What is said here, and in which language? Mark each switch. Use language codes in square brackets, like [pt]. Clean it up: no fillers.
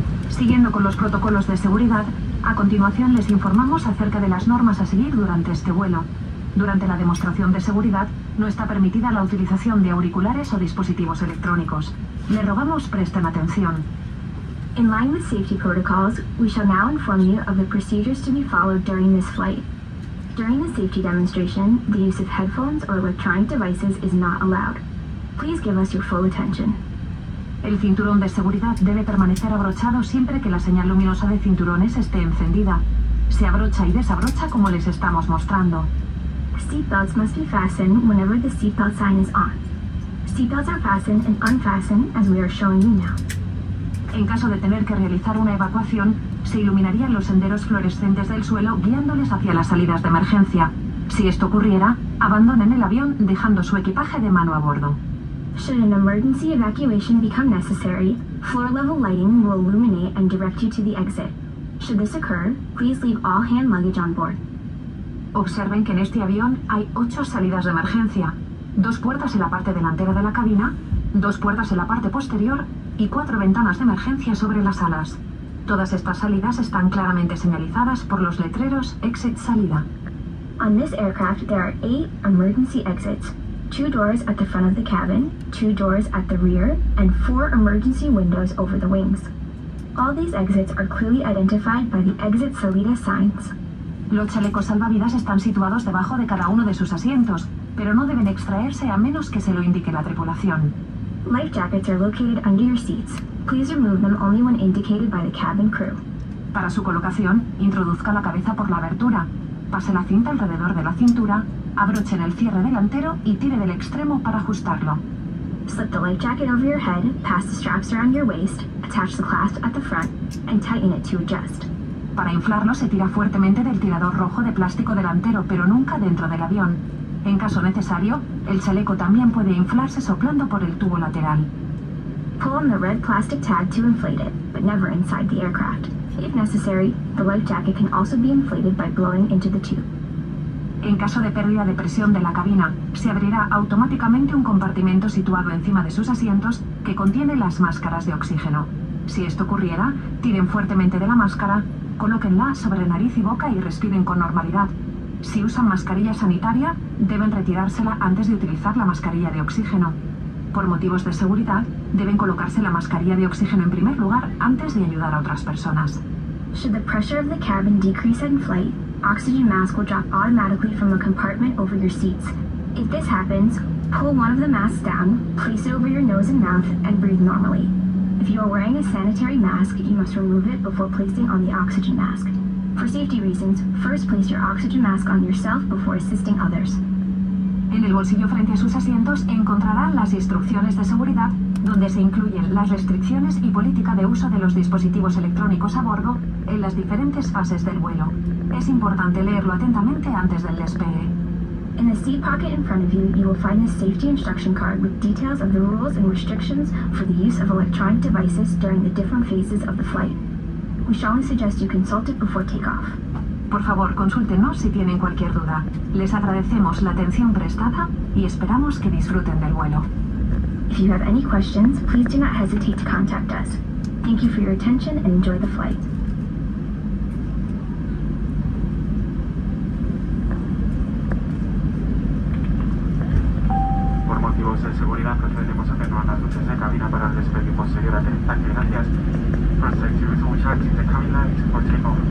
[es] Siguiendo con los protocolos de seguridad, a continuación les informamos acerca de las normas a seguir durante este vuelo. Durante la demostración de seguridad, no está permitida la utilización de auriculares o dispositivos electrónicos. Le rogamos presten atención. [en] In line with safety protocols, we shall now inform you of the procedures to be followed during this flight. During the safety demonstration, the use of headphones or electronic devices is not allowed. Please give us your full attention. [es] El cinturón de seguridad debe permanecer abrochado siempre que la señal luminosa de cinturones esté encendida. Se abrocha y desabrocha como les estamos mostrando. [en] Seatbelts must be fastened whenever the seatbelt sign is on. Seatbelts are fastened and unfastened as we are showing you now. [es] En caso de tener que realizar una evacuación, se iluminarían los senderos fluorescentes del suelo guiándoles hacia las salidas de emergencia. Si esto ocurriera, abandonen el avión dejando su equipaje de mano a bordo. [en] Should an emergency evacuation become necessary, floor-level lighting will illuminate and direct you to the exit. Should this occur, please leave all hand luggage on board. [es] Observen que en este avión hay 8 salidas de emergencia, 2 puertas en la parte delantera de la cabina, 2 puertas en la parte posterior y 4 ventanas de emergencia sobre las alas. Todas estas salidas están claramente señalizadas por los letreros exit-salida. [en] On this aircraft, there are 8 emergency exits. 2 doors at the front of the cabin, 2 doors at the rear, and 4 emergency windows over the wings. All these exits are clearly identified by the exit salida signs. [es] Los chalecos salvavidas están situados debajo de cada uno de sus asientos, pero no deben extraerse a menos que se lo indique la tripulación. [en] Life jackets are located under your seats. Please remove them only when indicated by the cabin crew. [es] Para su colocación, introduzca la cabeza por la abertura. Pase la cinta alrededor de la cintura, abroche el cierre delantero y tire del extremo para ajustarlo. [en] Slip the life jacket over your head, pass the straps around your waist, attach the clasp at the front, and tighten it to adjust. [es] Para inflarlo, se tira fuertemente del tirador rojo de plástico delantero, pero nunca dentro del avión. En caso necesario, el chaleco también puede inflarse soplando por el tubo lateral. [en] Pull on the red plastic tag to inflate it, but never inside the aircraft. If necessary, the life jacket can also be inflated by blowing into the tube. [es] En caso de pérdida de presión de la cabina, se abrirá automáticamente un compartimento situado encima de sus asientos que contiene las máscaras de oxígeno. Si esto ocurriera, tiren fuertemente de la máscara, colóquenla sobre nariz y boca y respiren con normalidad. Si usan mascarilla sanitaria, deben retirársela antes de utilizar la mascarilla de oxígeno. Por motivos de seguridad, deben colocarse la mascarilla de oxígeno en primer lugar antes de ayudar a otras personas. [en] Should the pressure of the cabin decrease in flight, oxygen mask will drop automatically from a compartment over your seats. If this happens, pull one of the masks down, place it over your nose and mouth, and breathe normally. If you are wearing a sanitary mask, you must remove it before placing on the oxygen mask. For safety reasons, first place your oxygen mask on yourself before assisting others. [es] En el bolsillo frente a sus asientos encontrarán las instrucciones de seguridad, donde se incluyen las restricciones y política de uso de los dispositivos electrónicos a bordo en las diferentes fases del vuelo. Es importante leerlo atentamente antes del despegue. [en] In the seat pocket in front of you, you will find a safety instruction card with details of the rules and restrictions for the use of electronic devices during the different phases of the flight. We strongly suggest you consult it before takeoff. [es] Por favor, consúltenos si tienen cualquier duda. Les agradecemos la atención prestada y esperamos que disfruten del vuelo. [en] If you have any questions, please do not hesitate to contact us. Thank you for your attention and enjoy the flight. [es] Por motivos de seguridad, procedemos a atenuar las luces de cabina para el despegue posterior a 30. Gracias. [en] Proceed to recharge the cabin lights for takeoff.